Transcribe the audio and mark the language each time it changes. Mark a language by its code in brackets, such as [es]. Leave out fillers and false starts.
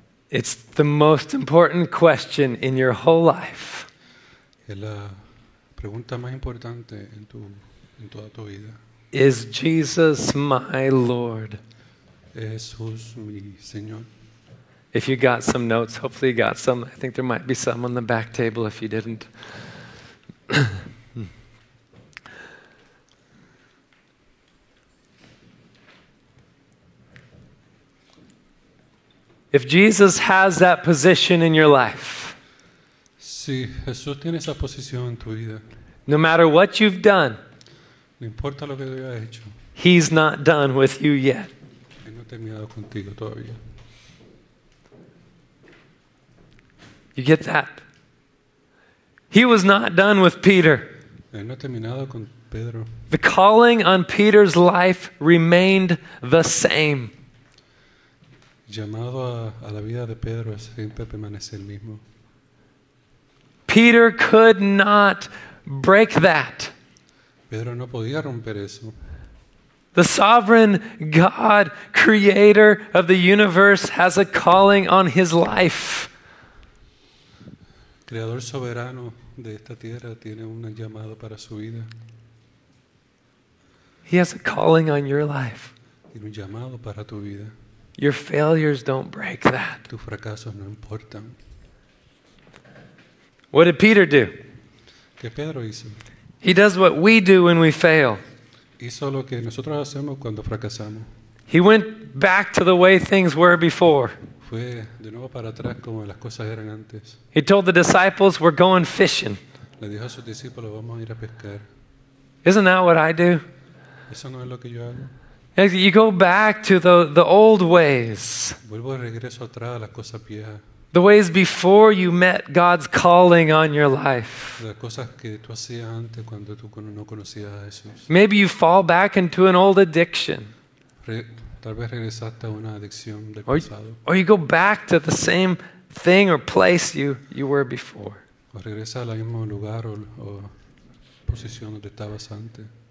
[en] It's the most important question in your whole life. [es] Es la pregunta más importante en toda tu vida. [en] Is Jesus my Lord? [es] ¿Es Jesús mi Señor? [en] If you got some notes, hopefully you got some. I think there might be some on the back table if you didn't. If Jesus has that position in your life, [es] si Jesús tiene esa posición en tu vida, [en] no matter what you've done, [es] no importa lo que tú hayas hecho, [en] he's not done with you yet. [es] Él no ha terminado contigo todavía. [en] You get that? He was not done with Peter. [es] Él no ha terminado con Pedro. [en] The calling on Peter's life remained the same. [es] Llamado a la vida de Pedro siempre permanece el mismo. [en] Peter could not break that. [es] Pedro no podía romper eso. [en] The sovereign God, creator of the universe, has a calling on his life. [es] creador soberano de esta tierra tiene un llamado para su vida. [en] He has a calling on your life. [es] Tiene un llamado para tu vida. [en] Your failures don't break that. [es] Tus fracasos no importan. [en] What did Peter do? [es] ¿Qué Pedro hizo? [en] He does what we do when we fail. [es] Hizo lo que nosotros hacemos cuando fracasamos. [en] He went back to the way things were before. [es] Fue de nuevo para atrás como las cosas eran antes. [en] He told the disciples, "We're going fishing." [es] Le dijo a sus discípulos, "Vamos a ir a pescar." [en] Isn't that what I do? [es] Eso no es lo que yo hago. [en] You go back to the old ways. [es] Vuelvo de regreso atrás a las cosas viejas. [en] The ways before you met God's calling on your life. [es] Las cosas que tú hacías antes cuando tú no conocías a Jesús. [en] Maybe you fall back into an old addiction. [es] Tal vez regresaste a una adicción del pasado. [en] Or you go back to the same thing or place you were before. [es] O regresas al mismo lugar o posición donde estabas antes.